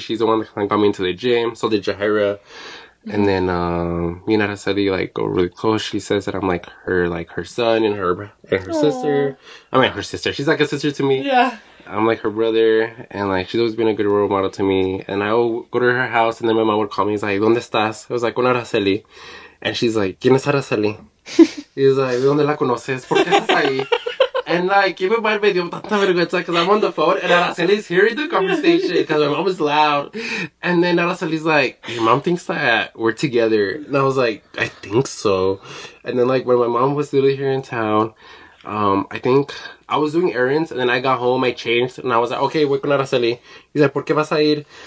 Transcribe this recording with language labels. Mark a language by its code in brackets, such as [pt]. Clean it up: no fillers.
[en] She's the one that kind of got me into the gym. So did Jahira. And then me and Araceli like go really close. She says that I'm like her son and her sister. I mean, her sister. She's like a sister to me. Yeah. I'm like her brother. And like, she's always been a good role model to me. And I would go to her house and then my mom would call me. He's like, [es] ¿dónde estás? [en] I was like, [es] con Araceli. [en] And she's like, [es] ¿quién es Araceli? [en] He's like, [es] ¿dónde la conoces? ¿Por qué estás ahí? [en] And like, even my baby, I'm [es] tanta vergüenza [en] because I'm on the phone and Araceli's hearing the conversation because my mom is loud. And then Araceli's like, your mom thinks that we're together. And I was like, I think so. And then like, when my mom was literally here in town, I think I was doing errands, and then I got home, I changed, and I was like, okay, [es] voy con Araceli. [en] He's like, [es] ¿por qué vas a ir?